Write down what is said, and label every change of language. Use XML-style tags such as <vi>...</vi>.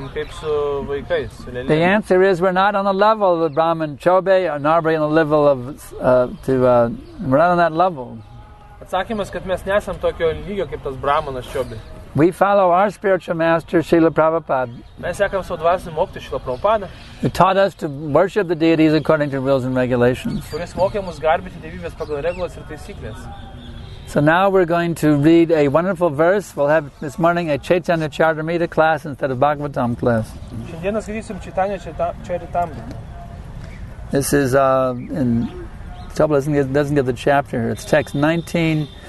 <en>The answer is, we're not on the level of the Brahmin Chobe, or Narbi on the level of, we're not on that level.</en> <lt>Atsakymas, kad mes nesam tokio lygio kaip tas Brahmanas Chobe.</lt> <en>We follow our spiritual master, Srila Prabhupada.</en> <lt>Mes sekam savo dvasinį mokytoją, Srila Prabhupada.</lt> <en>He taught us to worship the deities according to rules and regulations.</en> <lt>Kuris mokė mus garbinti dievybės pagal regulas ir taisyklės.</lt> <en>So now we're going to read a wonderful verse. We'll have this morning a Chaitanya Charitamrita class instead of Bhagavatam class.</en> <lt>Šiandieną skaitysim Chaitanya Charitamrita.</lt> <en>This is in... Trouble doesn't give the chapter here. It's text 19.</en>